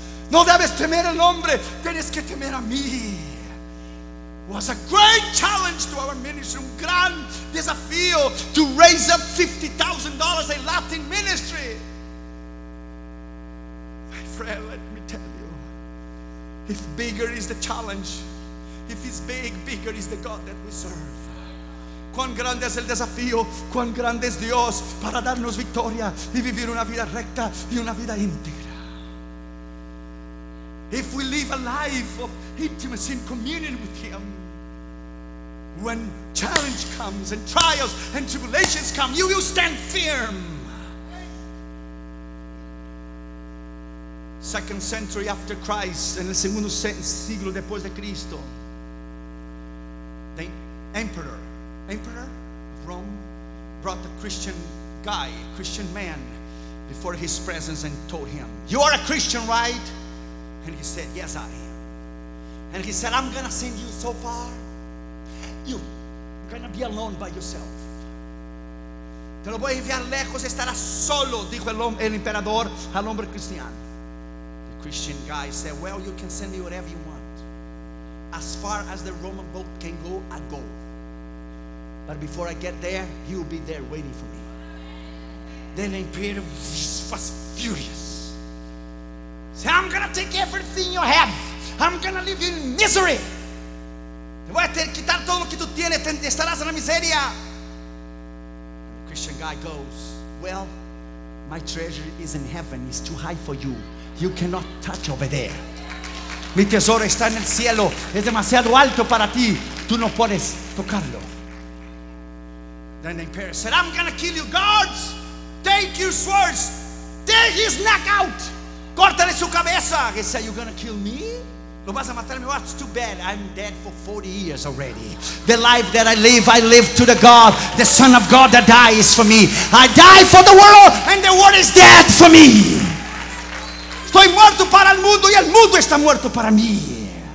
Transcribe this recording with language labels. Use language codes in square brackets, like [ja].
[es] No debes temer el hombre. Tienes que temer a mí. [en] Was a great challenge to our ministry, [es] un gran desafío [en] to raise up $50,000 a Latin ministry. My friend, let me tell you, if bigger is the challenge, if it's big, bigger is the God that we serve. [es] Cuán grande es el desafío, cuán grande es Dios para darnos victoria y vivir una vida recta y una vida íntegra. [en] If we live a life of intimacy and communion with Him, when challenge comes and trials and tribulations come, you will stand firm. 2nd century after Christ, [es] en el segundo siglo después de Cristo, [en] the emperor of Rome brought a Christian guy, a Christian man, before his presence and told him, "You are a Christian, right?" And he said, "Yes, I am." And he said, "I'm gonna send you so far. You're gonna be alone by yourself. [es] Te lo voy a enviar lejos, estarás solo," dijo el emperador al hombre cristiano. [en] The Christian guy said, "Well, you can send me whatever you want. As far as the Roman boat can go, I go. But before I get there, you'll be there waiting for me." Then the emperor was furious. Say, "I'm gonna take everything you have. I'm gonna leave you in misery. [es] Te voy a quitar todo lo que tú tienes. Te estarás en la miseria." [en] The Christian guy goes, "Well, my treasure is in heaven. It's too high for you. You cannot touch over there. [es] Mi tesoro está en el cielo. Es demasiado alto para ti. Tú no puedes tocarlo." [en] Then the emperor said, "I'm gonna kill you. Guards, take your swords. Tear his neck out. [es] Córtale su cabeza." [en] He said, "You're gonna kill me? [es] Lo vas a matar? [en] Well, it's too bad. I'm dead for 40 years already. The life that I live to the God, the Son of God that dies for me. I die for the world, and the world is dead for me. [es] Estoy muerto para el mundo, y el mundo está muerto para mí."